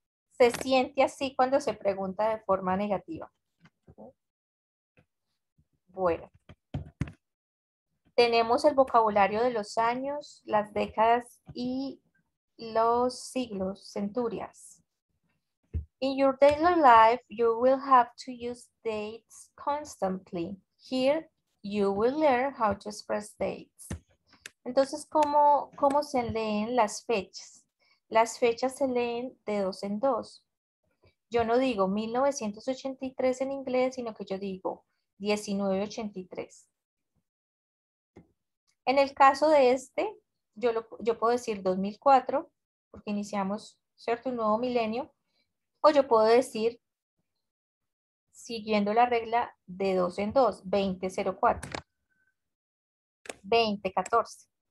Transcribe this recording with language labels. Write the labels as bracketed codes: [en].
[es] Se siente así cuando se pregunta de forma negativa. Bueno. Tenemos el vocabulario de los años, las décadas y los siglos, centurias. [en] In your daily life, you will have to use dates constantly. Here, you will learn how to express dates. [es] Entonces, ¿cómo se leen las fechas? Las fechas se leen de dos en dos. Yo no digo 1983 en inglés, sino que yo digo 1983. En el caso de este, yo puedo decir 2004, porque iniciamos, ¿cierto?, un nuevo milenio, o yo puedo decir, siguiendo la regla de dos en dos, 2004, 2014,